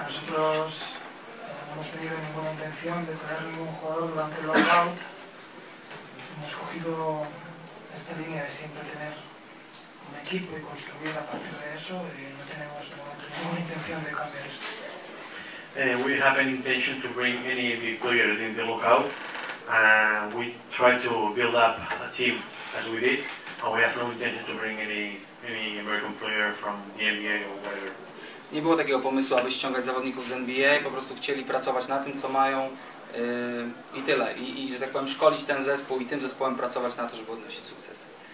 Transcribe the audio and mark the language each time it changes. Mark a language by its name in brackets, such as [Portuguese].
[Spanish] No hemos tenido ninguna intención de traer ningún jugador durante el lockout. Hemos cogido esta línea de siempre tener un equipo y construir a partir de eso y no tenemos ninguna intención de cambiar esto. [English] We have an intention to bring any of the players in the lockout. We try to build up a team as we did, and we have no intention to bring any American player from the NBA or whatever. [Polish] Nie było takiego pomysłu, aby ściągać zawodników z NBA, po prostu chcieli pracować na tym, co mają i tyle. I że tak powiem, szkolić ten zespół i tym zespołem pracować na to, żeby odnosić sukcesy.